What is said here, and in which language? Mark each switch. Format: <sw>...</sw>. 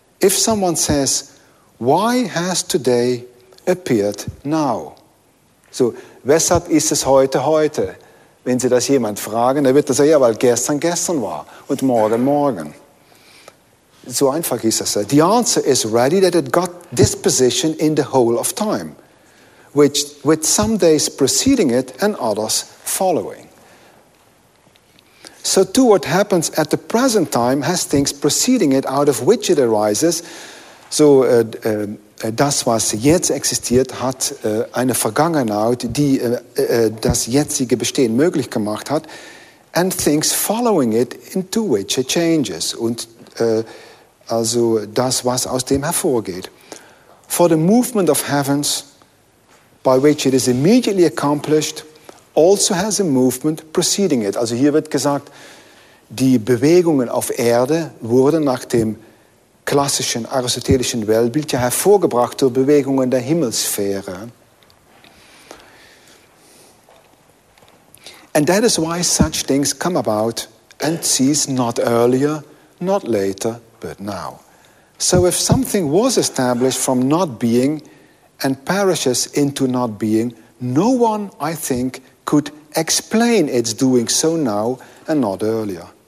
<en>If someone says, why has today appeared now?</en> <de>So, weshalb ist es heute heute? Wenn Sie das jemand fragen, dann wird er sagen, ja, weil gestern gestern war und morgen morgen. So einfach ist es.</de> <en>The answer is ready that it got this position in the whole of time, which with some days preceding it and others following. So too what happens at the present time has things preceding it out of which it arises.</en> <de>So das, was jetzt existiert, hat eine Vergangenheit, die das jetzige Bestehen möglich gemacht hat,</de> <en>and things following it into which it changes.</en> <de>Und also das, was aus dem hervorgeht.</de> <en>For the movement of heavens, by which it is immediately accomplished, also has a movement preceding it.</en> <de>Also hier wird gesagt, die Bewegungen auf Erde wurden nach dem klassischen aristotelischen Weltbild ja hervorgebracht durch Bewegungen der Himmelssphäre.</de> <en>And that is why such things come about and cease not earlier, not later, but now. So if something was established from not being and perishes into not being, no one, I think, could explain its doing so now and not earlier.</en>